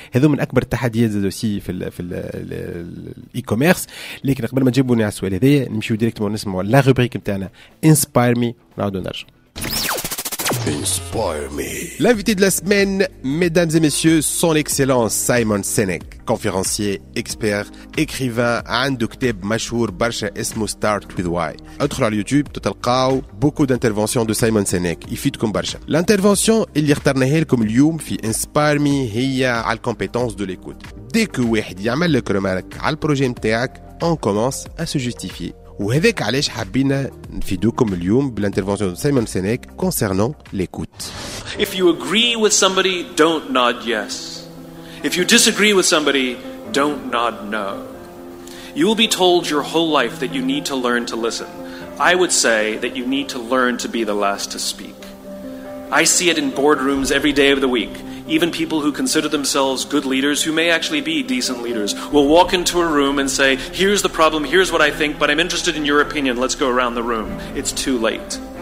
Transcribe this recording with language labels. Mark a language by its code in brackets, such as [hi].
[ar] هذو من اكبر التحديات زاد سي في الاي كوميرس. لكن قبل ما نجيبوا على السؤال هذايا نمشيو ديريكتومون نسمعوا لا روبريك نتاعنا انسباير مي نعود نرجع. [fr] L'invité de la semaine, mesdames et messieurs, son excellence Simon Sinek, conférencier, expert, écrivain, [ar] عنده كتاب مشهور برشا اسمه [fr] Start with Why. [ar] ادخل على يوتيوب تلقاو [fr] beaucoup d'interventions de Simon Sinek, [ar] يفيدكم برشا. L'intervention اللي اخترناها لكم اليوم في Inspire Me هي على الكومبيتونس دو ليكوت. [fr] Dès que [ar] واحد يعمل لك رمارك على البروجي نتاعك, [fr] on commence à se justifier. [ar] وهذاك علاش حابين نفيدوكم اليوم بالانترفونسيون تاع سيمون سينيك كونسيرنون ليكوت. [en] If you agree with somebody, don't nod yes. If you disagree with somebody, don't nod no. You will be told your whole life that you need to learn to listen. I would say that you need to learn to be the last to speak. I see it in boardrooms every day of the week. Even people who consider themselves good leaders, who may actually be decent leaders, will walk into a room and say, here's the problem, here's what I think, but I'm interested in your opinion, let's go around the room. It's too late.